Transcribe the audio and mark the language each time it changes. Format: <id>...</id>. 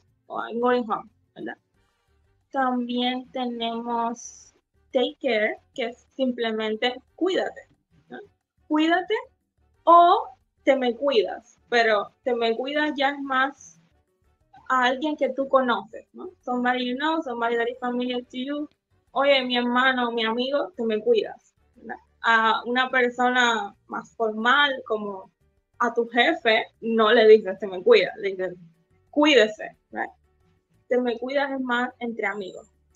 <en>O I'm going home,</en> <es>¿verdad? También tenemos</es> <en>take care,</en> <es>que es simplemente cuídate, ¿no? Cuídate o te me cuidas. Pero te me cuidas ya es más a alguien que tú conoces, ¿no?</es> <en>Somebody you know, somebody that is familiar to you.</en> <es>Oye, mi hermano, mi amigo, te me cuidas, ¿verdad? A una persona más formal, como a tu jefe, no le dices te me cuidas, le dices cuídese, ¿verdad? Te me cuidas es más entre amigos.</es>